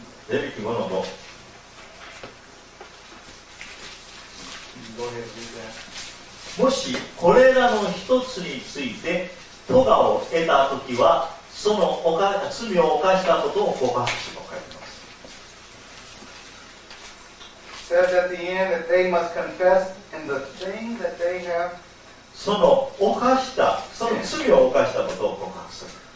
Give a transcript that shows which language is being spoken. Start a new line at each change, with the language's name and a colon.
Japanese: レビ記5の5。もしこれらの一つについて咎を得たときは、その罪を犯したことを告白しと書いてます。
English: Says at the end that they must confess in the thing that they have
Japanese: その犯したその罪を犯したことを告白する。